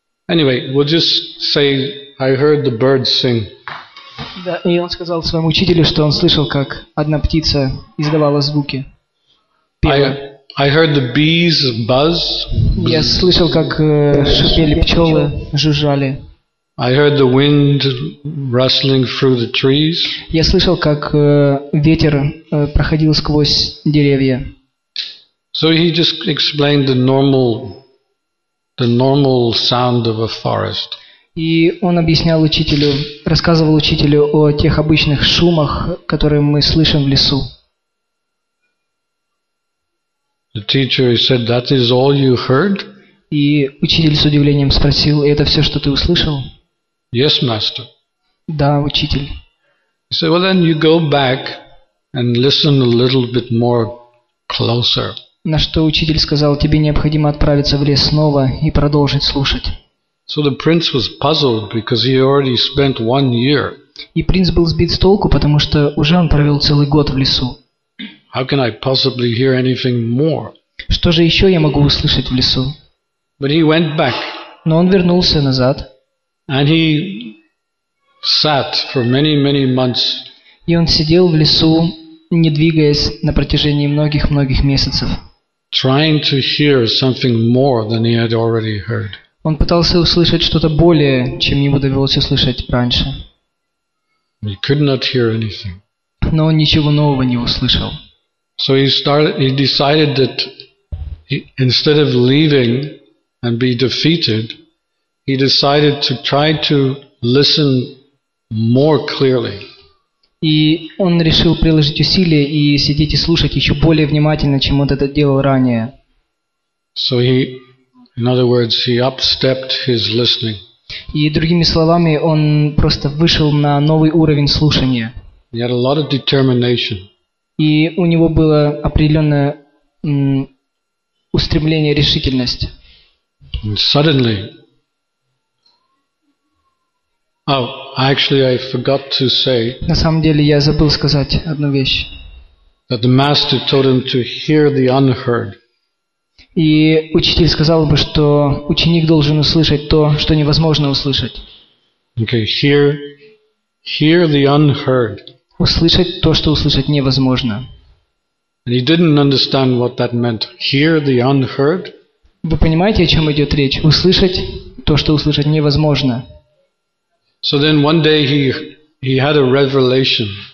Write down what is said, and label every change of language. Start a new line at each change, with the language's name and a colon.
English: Anyway, we'll just say I heard the birds sing.
Russian: Да, и он сказал своему учителю, что он слышал, как одна птица издавала звуки.
English: I heard the bees buzz.
Russian: Я слышал, как шипели пчелы, жужжали.
English: I heard the wind rustling through the trees.
Russian: Я слышал, как ветер проходил сквозь деревья.
English: So he just explained the normal sound of a forest.
Russian: И он объяснял учителю, рассказывал учителю о тех обычных шумах, которые мы слышим в лесу.
English: The teacher said, "That is all you heard?"
Russian: И учитель с удивлением спросил: "Это все, что ты услышал?"
English: Yes, master.
Russian: Да, учитель.
English: He said, "Well, then you go back and listen a little bit more closer."
Russian: На что учитель сказал: "Тебе необходимо отправиться в лес снова и продолжить слушать."
English: So the prince was puzzled because he already spent 1 year.
Russian: И принц был сбит с толку, потому что уже он провел целый год в лесу.
English: How can I possibly hear anything more?
Russian: Что же еще я могу услышать в лесу?
English: But he went back.
Russian: Но он вернулся назад.
English: And he sat for many, many months.
Russian: И он сидел в лесу, не двигаясь на протяжении многих-многих месяцев.
English: Trying to hear something more than he had already heard.
Russian: Он пытался услышать что-то более, чем ему довелось услышать раньше.
English: He could not hear anything.
Russian: Но он ничего нового не услышал.
English: So he decided that instead of leaving and be defeated, he decided to try to listen more clearly.
Russian: И он решил приложить усилия и сидеть и слушать еще более внимательно, чем он это делал ранее.
English: So he, in other words, he upstepped his listening.
Russian: И другими словами, он просто вышел на новый уровень слушания.
English: He had a lot of determination.
Russian: И у него было определенное устремление, решительность.
English: And suddenly, oh, actually, I forgot to say.
Russian: На самом деле, я забыл сказать одну вещь.
English: That the master told him to hear the unheard.
Russian: И учитель сказал бы, что ученик должен услышать то, что невозможно услышать.
English: Okay, hear the unheard.
Russian: Услышать то, что услышать невозможно.
English: And he didn't understand what that meant. Hear the unheard.
Russian: Вы понимаете, о чем идет речь? Услышать то, что услышать невозможно.
English: So then one day he had a revelation.